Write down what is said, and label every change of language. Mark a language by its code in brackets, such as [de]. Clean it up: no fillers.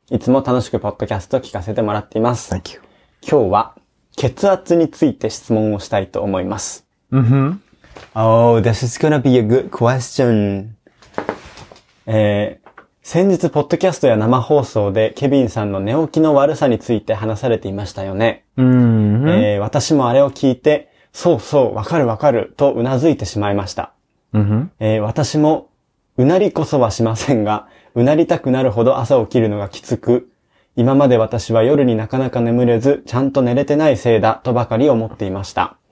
[ja] いつも楽しくポッドキャストを聞かせてもらっています。 [en] Thank you. [ja] 今日は血圧について質問をしたいと思います。 Mm-hmm. [en] Oh, this is gonna be a good question. [ja] 先日ポッドキャストや生放送でケビンさんの寝起きの悪さについて話されていましたよね。 Mm-hmm. 私もあれを聞いて、そうそう、わかるわかるとうなずいてしまいました。 Mm-hmm. 私もうなりこそはしませんが、うなりたくなるほど朝起きるのがきつく、今まで私は夜になかなか眠れず、ちゃんと寝れてないせいだとばかり思っていました。